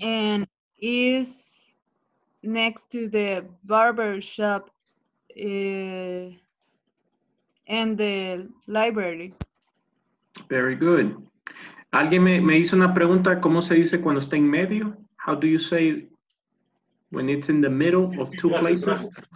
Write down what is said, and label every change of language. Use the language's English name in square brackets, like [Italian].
[English] And is next to the barber shop and the library. Very good. [Spanish] Alguien me hizo una pregunta, ¿cómo se dice cuando está en medio? [English] How do you say when it's in the middle of two places?